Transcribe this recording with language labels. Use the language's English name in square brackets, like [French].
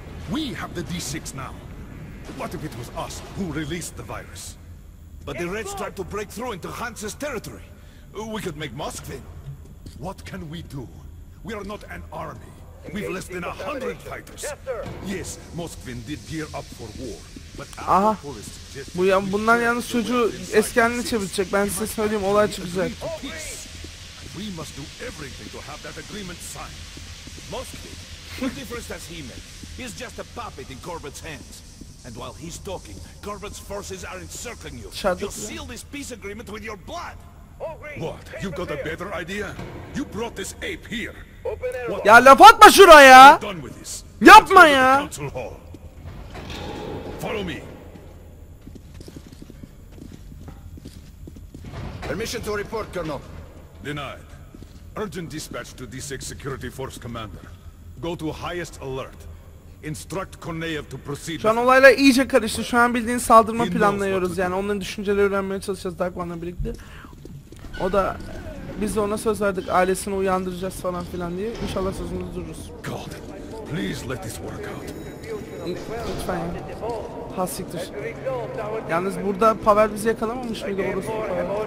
[English] We have the D6 now. What if it was us who released the virus? But the Reds tried to break through into Hans's territory. We could make Moskvin. What can we do? We are not an army. We've less than 100 fighters. Yes, sir. Yes, Moskvin did gear up for war. But aha. [Turkish] Bu ya, bunlar yalnız çocuğu eski haline çevirecek. Ben size söyleyeyim, olay çıkacak. [English] We must do everything to have that agreement signed. Moskvin, what difference does he make? He's just a puppet in Corbett's hands. And while he's talking, Corbett's forces are encircling you. You'll seal this peace agreement with your blood. What? You got a better idea? You brought this ape here. What? [Turkish] Ya laf atma şuraya. Yapma ya. [English] Follow me. Permission to report, Colonel. Denied. Urgent dispatch to D6 Security Force Commander. Go to highest alert. Instruct Korneyev to proceed. [Turkish] Şu an olayla iyice karıştı. Şu an bildiğin saldırma planlıyoruz yani. Onların düşünceleri öğrenmeye çalışacağız Dark One'la birlikte. O da biz de ona söz verdik ailesini uyandıracağız falan filan diye. İnşallah sözümüzü dururuz. [English] God, please let this work out. [Turkish] Lütfen ya. Hasiktir. Yalnız burada Pavel bizi yakalamamış mıydı orası Pavel?